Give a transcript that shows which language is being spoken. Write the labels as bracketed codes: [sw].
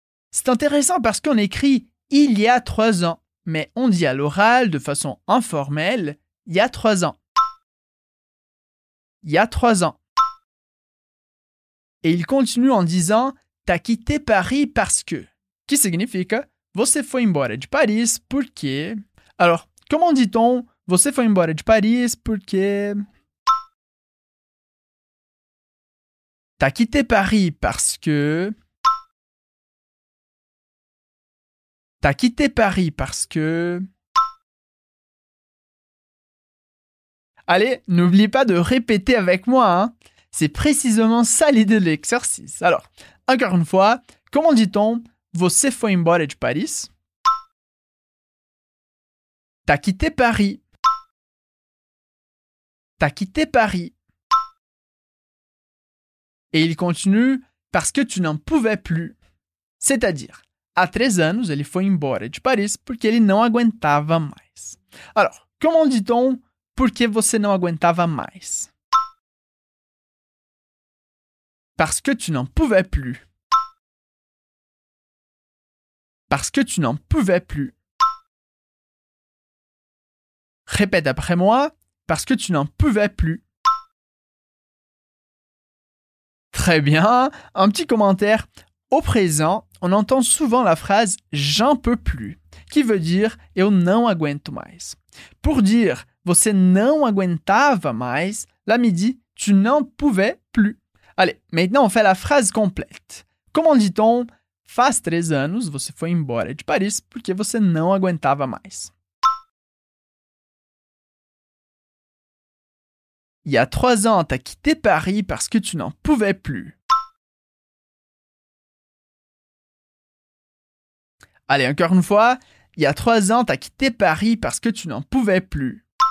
[fr] C'est intéressant parce qu'on écrit « il y a 3 ans », mais on dit à l'oral de façon informelle « il y a 3 ans ». Il y a 3 ans. Et il continue en disant « t'as quitté Paris parce que ». Qui signifie « [pt] você foi embora de Paris porque ». [fr] Alors, comment dit-on « [pt] você foi embora de Paris porque ». [fr] T'as quitté Paris parce que... T'as quitté Paris parce que... Allez, n'oublie pas de répéter avec moi, hein. C'est précisément ça l'idée de l'exercice. Alors, encore une fois, comment dit-on « [pt] Você foi embora de Paris ?» [fr] T'as quitté Paris. T'as quitté Paris. Et il continue « parce que tu n'en pouvais plus ». C'est-à-dire, à 13 ans, il [pt] foi embora [fr] de Paris parce qu'il [pt] non aguentava mais. [fr] Alors, comment dit-on « [pt] porque você não aguentava mais » ? [fr] Parce que tu n'en pouvais plus. Parce que tu n'en pouvais plus. Répète après moi « parce que tu n'en pouvais plus ». Très bien, un petit commentaire. Au présent, on entend souvent la phrase « j'en peux plus » qui veut dire « [pt] eu não aguento mais ». [fr] Pour dire « [pt] você não aguentava mais [fr] », là midi, « tu n'en pouvais plus ». Allez, maintenant on fait la phrase complète. Comment dit-on « [pt] faz 3 anos, você foi embora de Paris porque você não aguentava mais ». [fr] Il y a 3 ans, t'as quitté Paris parce que tu n'en pouvais plus. Allez, encore une fois. Il y a 3 ans, t'as quitté Paris parce que tu n'en pouvais plus.